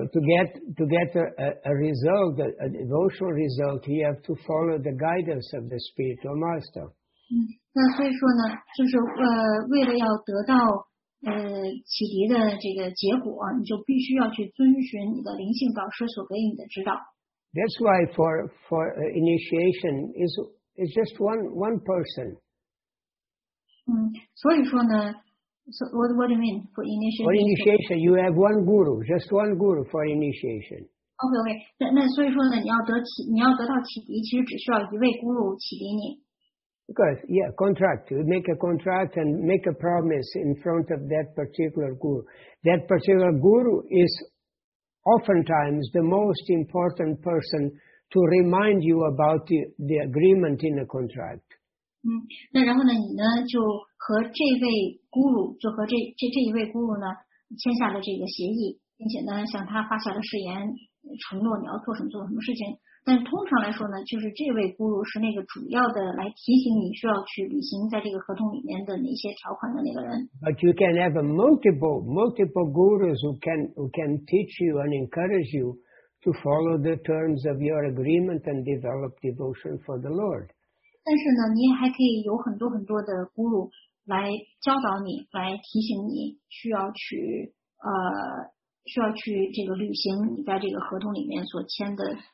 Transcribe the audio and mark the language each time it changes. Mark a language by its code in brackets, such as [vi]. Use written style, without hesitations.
[en] to get a result, a devotional result, you have to follow the guidance of the spiritual master. [zh] 那所以说呢，就是为了要得到启迪的这个结果，你就必须要去遵循你的灵性导师所给你的指导。 [en] That's why for initiation is just one person. [zh] 所以说呢， [en] what do you mean for initiation? For initiation, you have one guru, just one guru for initiation. Okay. [zh] 那所以说呢，你要得到启迪，其实只需要一位guru启迪你。 [en] Because, yeah, contract. You make a contract and make a promise in front of that particular guru. That particular guru is oftentimes the most important person to remind you about the agreement in the contract. [zh] 那然后呢，你呢，就和这位guru，就和这一位guru呢，签下了这个协议，并且呢向他发下了誓言，承诺你要做什么做什么事情。但通常来说呢，就是这位咕噜是那个主要的来提醒你需要去履行在这个合同里面的哪些条款的那个人。 [en] But you can have a multiple gurus who can teach you and encourage you to follow the terms of your agreement and develop devotion for the Lord. [zh] 但是呢，你还可以有很多很多的咕噜来教导你，来提醒你需要去这个履行你在这个合同里面所签的。